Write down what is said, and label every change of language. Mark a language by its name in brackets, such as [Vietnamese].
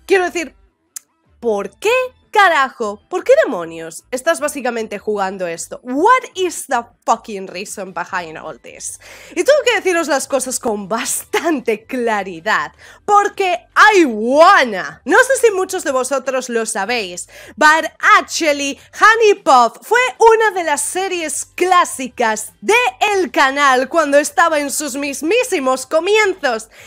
[Spanish] Quiero decir, ¿por qué carajo? ¿Por qué demonios estás básicamente jugando esto? [English] What is the fucking reason behind all this? [Spanish] Y tengo que deciros las cosas con bastante claridad, porque [English] I wanna. [Spanish] No sé si muchos de vosotros lo sabéis, [English] but actually, [Spanish] Honey Pop fue una de las series clásicas del canal cuando estaba en sus mismísimos comienzos.